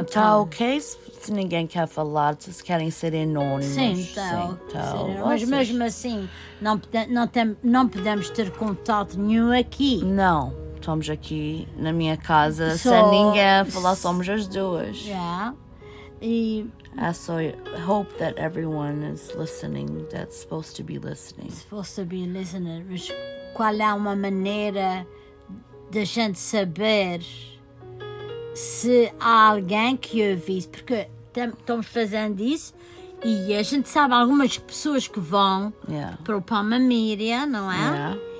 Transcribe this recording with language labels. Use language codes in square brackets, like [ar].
[pt] Está ok se ninguém quer falar, se querem ser anónimos. Sim, está ok. Mas mesmo assim, não podemos ter contato nenhum aqui. Não, estamos aqui na minha casa, sem ninguém a falar, somos as duas. [en] Yeah. [pt] E... [en] So I hope that everyone is listening, that's supposed to be listening. Supposed to be listening. [pt] Mas qual é uma maneira de a gente saber... Se há alguém que ouvisse, porque estamos fazendo isso e a gente sabe algumas pessoas que vão para o Palma Miriam, não é?